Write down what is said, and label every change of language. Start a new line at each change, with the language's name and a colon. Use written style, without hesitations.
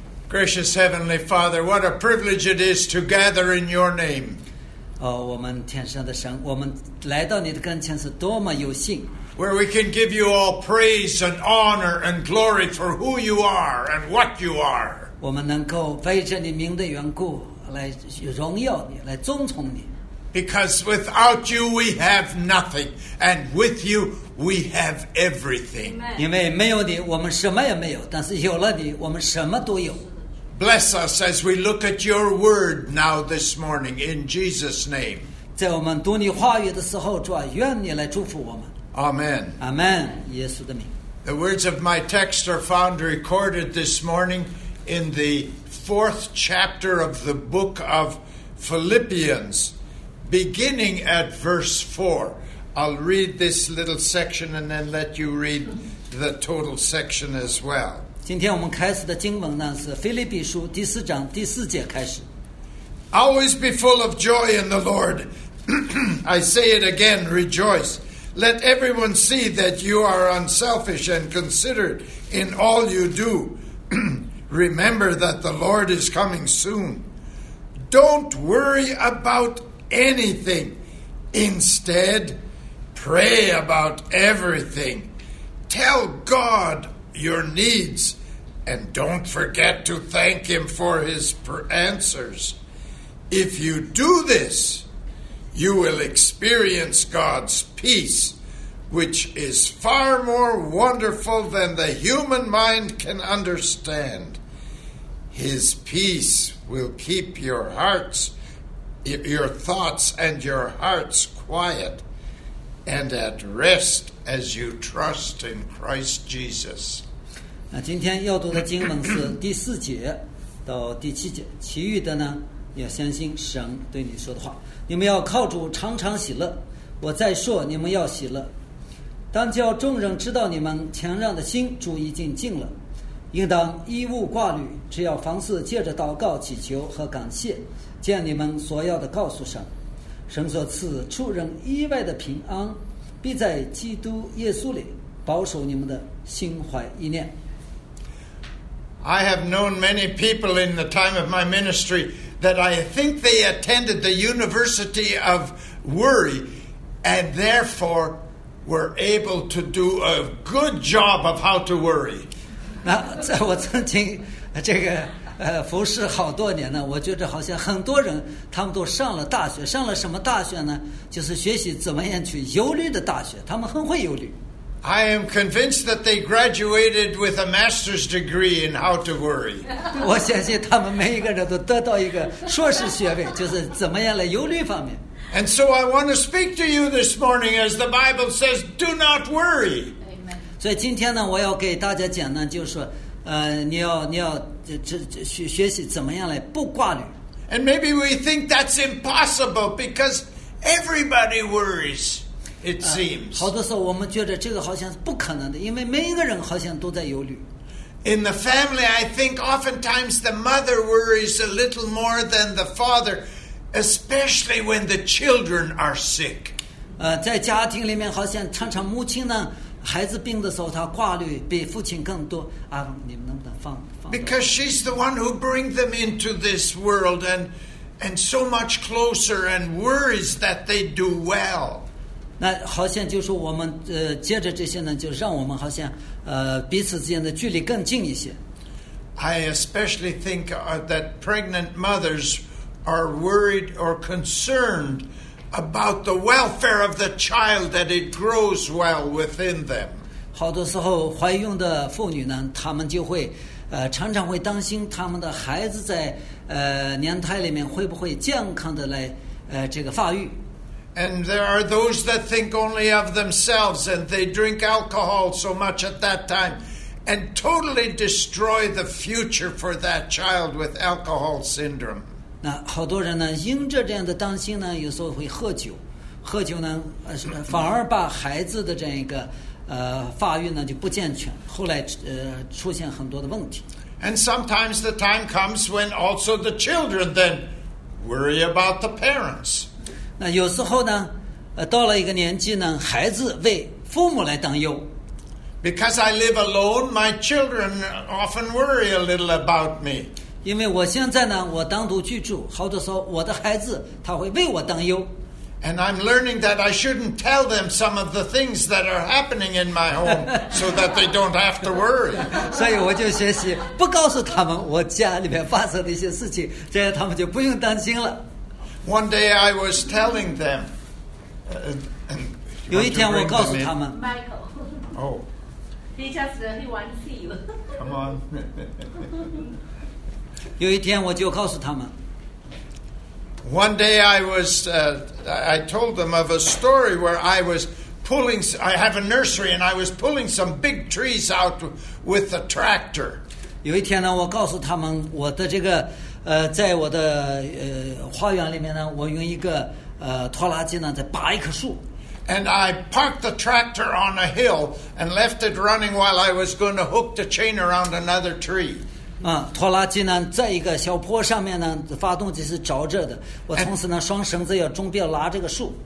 English: Gracious Heavenly Father, what a privilege it is to gather in your name.
Chinese: 哦，我们天上的神，我们来到你的跟前是多么有幸。
English: Where we can give you all praise and honor and glory for who you are and what you are.
Chinese: 我们能够为着你名的缘故来荣耀你，来尊崇你。
English: Because without you we have nothing, and with you we have everything.
Chinese: 因为没有你，我们什么也没有；但是有了你，我们什么都有。
English: Bless us as we look at your word now this morning in Jesus' name.
Chinese: 在我们读你话语的时候，主啊，愿你来祝福我们。
English: Amen.
Chinese: Amen. 耶稣的名。
English: The words of my text are found recorded this morning in the fourth chapter of the book of Philippians. Beginning at verse 4, I'll read this little section and then let you read the total section as well.
Chinese: 今天我们开始的经文呢是《腓立比书》第四章第四节开始。
English: Always be full of joy in the Lord. I say it again, rejoice. Let everyone see that you are unselfish and considerate in all you do. Remember that the Lord is coming soon. Don't worry about anything. Instead, pray about everything. Tell God your needs and don't forget to thank Him for His answers. If you do this, you will experience God's peace, which is far more wonderful than the human mind can understand. His peace will keep your thoughts and your hearts quiet and at rest as you trust in Christ Jesus.
Chinese: 那今天要读的经文是第四节到第七节，其余的呢，要相信神对你说的话。你们要靠主常常喜乐。我再说，你们要喜乐。当叫众人知道你们谦让的心，主已经尽了。应当衣物挂虑，只要凡事借着祷告、祈求和感谢。见你们所要的告诉神，神所赐出人意外的平安必在基督耶稣里保守你们的心怀意念。
English: I have known many people in the time of my ministry that I think they attended the University of Worry and therefore were able to do a good job of how to worry.
Chinese: 那在我曾经这个服侍好多年呢，我觉得好像很多人他们都上了大学，上了什么大学呢？就是学习怎么样去忧虑的大学，他们很会忧虑。
English: I am convinced that they graduated with a master's degree in how to worry.
Chinese: 我相信他们每一个人都得到一个硕士学位，就是怎么样来忧虑方面。
English: And so I want to speak to you this morning as the Bible says, do not worry.
Chinese: 所以今天呢，我要给大家讲呢，就是你要学习怎么样来不挂虑。
English: And maybe we think that's impossible because everybody worries, it seems.
Chinese: 好多时候我们觉得这个好像是不可能的，因为每一个人好像都在忧虑。
English: In the family, I think oftentimes the mother worries a little more than the father, especially when the children are sick.
Chinese: 在家庭里面好像常常母亲呢孩子病的时候他挂虑比父亲更多啊，你们能不能放
English: Because she's the one who brings them into this world and so much closer and worries that they do well.
Chinese: 那好像就是我们接着这些呢就让我们好像彼此之间的距离更近一些。
English: I especially think that pregnant mothers are worried or concerned about the welfare of the child that it grows well within them.
Chinese: 好多时候怀孕的妇女呢她们就会常常会担心他们的孩子在娘胎里面会不会健康的来这个发育。
English: And there are those that think only of themselves and they drink alcohol so much at that time and totally destroy the future for that child with alcohol syndrome.
Chinese: 那好多人呢因着这样的担心呢有时候会喝酒。喝酒呢反而把孩子的这样一个发育呢就不健全，后来出现很多的问题。
English: And sometimes the time comes when also the children then worry about the parents.
Chinese: 那有时候呢，到了一个年纪呢，孩子为父母来担忧。
English: Because I live alone, my children often worry a little about me.
Chinese: 因为我现在呢，我单独居住，好多时候我的孩子他会为我担忧。
English: And I'm learning that I shouldn't tell them some of the things that are happening in my home so that they don't have to worry.
Chinese: 所以我就学习不告诉他们我家里面发生的一些事情，这样他们就不用担心了。
English: One day I was telling them,
Chinese: 有一天我告诉他们
English: Michael. Oh. He just wants you. Come on.
Chinese: 有一天我就告诉他们
English: One day I was, I told them of a story where I was pulling, I have a nursery and I was pulling some big trees out with a tractor.
Chinese: 有一天呢，我告诉他们我的这个，在我的花园里面呢，我用一个拖拉机呢在拔一棵树。
English: And I parked the tractor on a hill and left it running while I was going to hook the chain around another tree.
Chinese: 拖拉机呢，在一个小坡上面呢，发动机是着着的。我从此呢，双绳子要中间拉这个树。